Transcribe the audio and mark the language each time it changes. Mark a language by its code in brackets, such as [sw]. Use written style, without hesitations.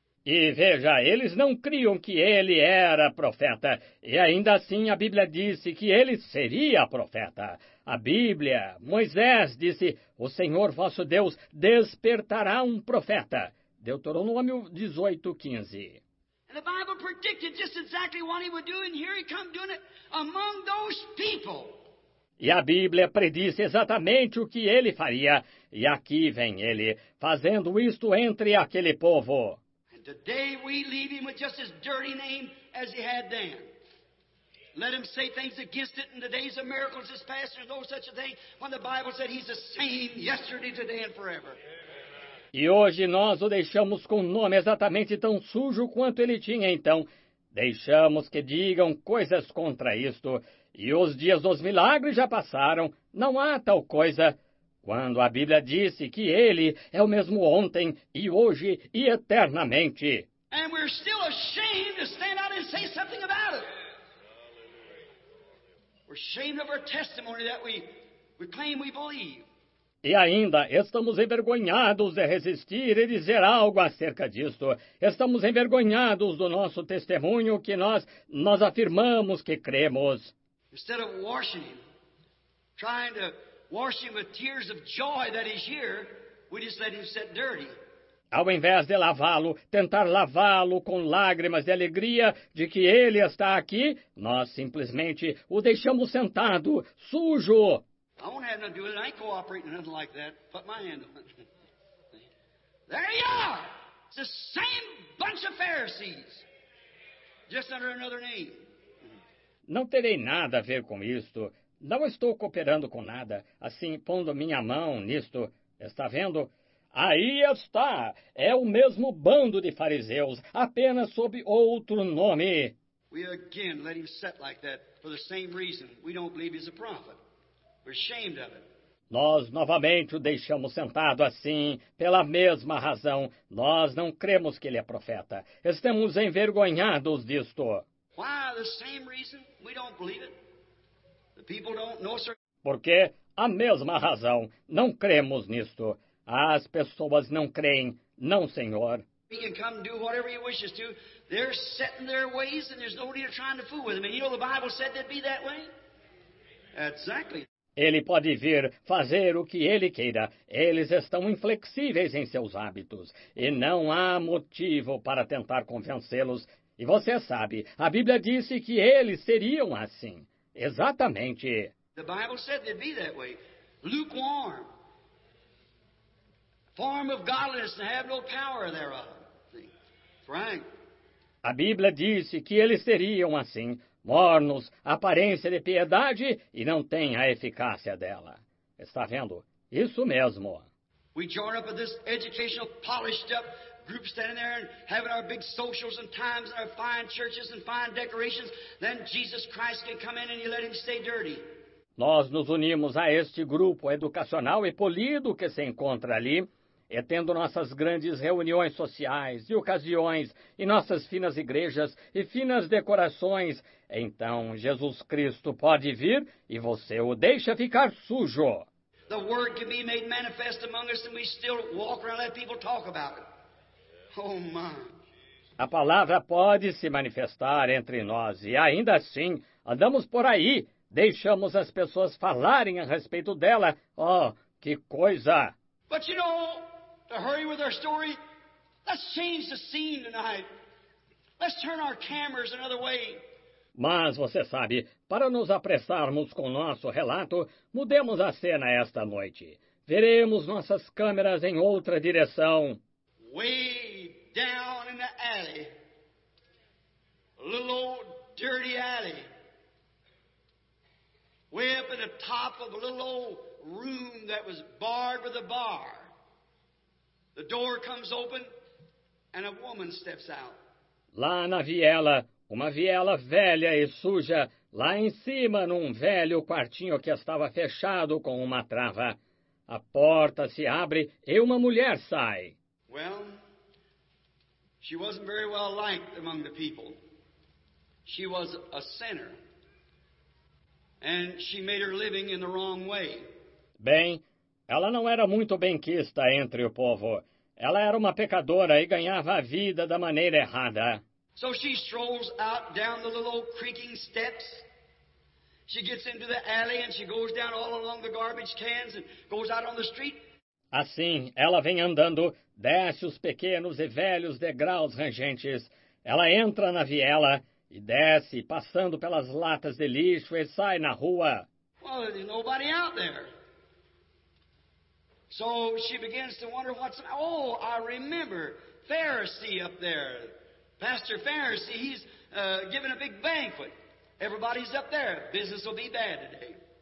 [pt] E veja, eles não criam que ele era profeta. E ainda assim a Bíblia disse que ele seria profeta. A Bíblia, Moisés disse, o Senhor vosso Deus despertará um profeta. Deuteronômio 18:15. [en] The Bible predicted just exactly what he would do, and here he comes doing it among those people. [pt] E a Bíblia predisse exatamente o que ele faria, e aqui vem ele, fazendo isto entre aquele povo. [en] And today we leave him with just as dirty name as he had then. Let him say things against it in the days of miracles as past, there's no such a thing, when the Bible said he's the same yesterday, today, and forever. [pt] E hoje nós o deixamos com um nome exatamente tão sujo quanto ele tinha então. Deixamos que digam coisas contra isto. E os dias dos milagres já passaram. Não há tal coisa. Quando a Bíblia disse que ele é o mesmo ontem e hoje e eternamente. E ainda estamos [en] ashamed de stand out and say something about it. We're ashamed of our testimony that we claim we believe. [pt] E ainda estamos envergonhados de resistir e dizer algo acerca disto. Estamos envergonhados do nosso testemunho que nós afirmamos que cremos. [en] Instead of washing him, trying to wash him with tears of joy that he's here, we just let him sit dirty. [pt] Ao invés de lavá-lo, tentar lavá-lo com lágrimas de alegria de que ele está aqui, nós simplesmente o deixamos sentado, sujo. [en] I won't have nothing to do with it. I ain't cooperating or nothing like that. Put my hand on it. There you are. It's the same bunch of Pharisees. Just under another name. [pt] Não terei nada a ver com isto. Não estou cooperando com nada. Assim, pondo minha mão nisto. Está vendo? Aí está. É o mesmo bando de fariseus, apenas sob outro nome. [en] We again let him sit like that for the same reason. We don't believe he's a prophet. We're ashamed of it. [pt] Nós novamente o deixamos sentado assim, pela mesma razão. Nós não cremos que ele é profeta. Estamos envergonhados disto. [en] Why, the same reason we don't believe it. The people don't know, sir. [pt] Porque a mesma razão. Não cremos nisto. As pessoas não creem. Não, Senhor. [en] He can come do whatever he wishes to. They're set in their ways and there's nobody trying to fool with them. And you know the Bible said they'd be that way? Exactly. [pt] Ele pode vir fazer o que ele queira. Eles estão inflexíveis em seus hábitos. E não há motivo para tentar convencê-los. E você sabe, a Bíblia disse que eles seriam assim. Exatamente. [en] The Bible said they'd be that way. Lukewarm. Form of godliness and have no power thereof. Frank. [pt] A Bíblia disse que eles seriam assim, mornos, aparência de piedade e não têm a eficácia dela. Está vendo? Isso mesmo. [en] We join up with this educational, polished up group standing there and having our big socials and times and our fine churches and fine decorations. Then Jesus Christ can come in and you let him stay dirty. [pt] Nós nos unimos a este grupo educacional e polido que se encontra ali, e tendo nossas grandes reuniões sociais e ocasiões, e nossas finas igrejas e finas decorações, então Jesus Cristo pode vir e você o deixa ficar sujo. [en] The word can be made manifest among us and we still walk around and let people talk about it. Oh my. [pt] A palavra pode se manifestar entre nós e ainda assim andamos por aí. Deixamos as pessoas falarem a respeito dela. Oh, que coisa! [en] But you know, to hurry with our story, let's change the scene tonight. Let's turn our cameras another way. [pt] Mas você sabe, para nos apressarmos com nosso relato, mudemos a cena esta noite. Veremos nossas câmeras em outra direção. [en] Way down in the alley. Little old dirty alley. Way up at the top of a little old room that was barred with a bar. The door comes open and a woman steps out. [pt] Lá na viela, uma viela velha e suja, lá em cima num velho quartinho que estava fechado com uma trava. A porta se abre e uma mulher sai. [en] Well, she wasn't very well liked among the people. She was a sinner. And she made her living in the wrong way. [pt] Bem, ela não era muito bem-quista entre o povo. Ela era uma pecadora e ganhava a vida da maneira errada. [en] So she strolls out down the little creaking steps. She gets into the alley and she goes down all along the garbage cans and goes out on the street. [pt] Assim, ela vem andando, desce os pequenos e velhos degraus rangentes. Ela entra na viela e desce, passando pelas latas de lixo, e sai na rua. [en] Well, there's nobody out there. So she begins to wonder what's... Oh, I remember, Pharisee up there. Pastor Pharisee, he's giving a big banquet. Everybody's up there. Business will be bad today.